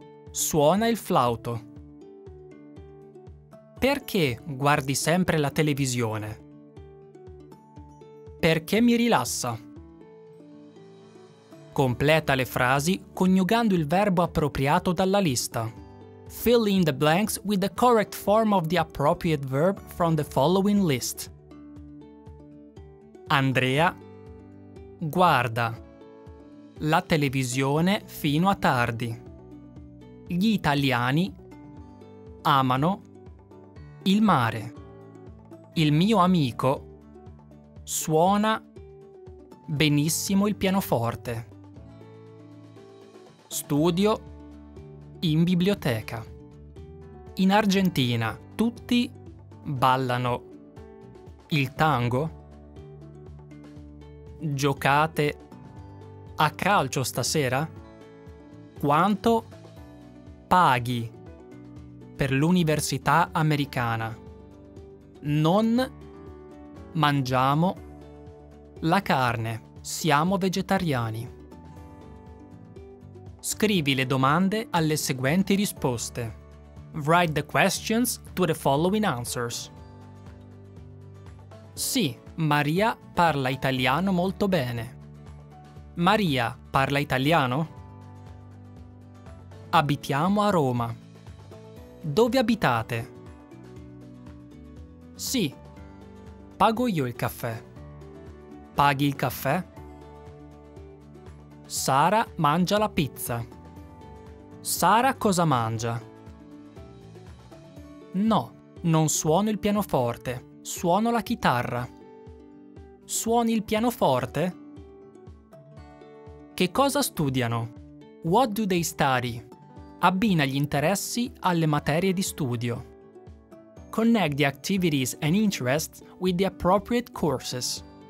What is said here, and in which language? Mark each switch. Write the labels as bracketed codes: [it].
[it] Suona il flauto. Perché guardi sempre la televisione? Perché mi rilassa. Completa le frasi coniugando il verbo appropriato dalla lista. [en] Fill in the blanks with the correct form of the appropriate verb from the following list. [it] Andrea guarda la televisione fino a tardi. Gli italiani amano il mare. Il mio amico suona benissimo il pianoforte. Studio in biblioteca. In Argentina tutti ballano il tango? Giocate a calcio stasera? Quanto paghi per l'università americana? Non mangiamo la carne, siamo vegetariani. Scrivi le domande alle seguenti risposte. [en] Write the questions to the following answers. [it] Sì, Maria parla italiano molto bene. Maria parla italiano? Abitiamo a Roma. Dove abitate? Sì, pago io il caffè. Paghi il caffè? Sara mangia la pizza. Sara cosa mangia? No, non suono il pianoforte, suono la chitarra. Suoni il pianoforte? Che cosa studiano? [en] What do they study? [it] abbina gli interessi alle materie di studio. [en] Connect the activities and interests with the appropriate courses.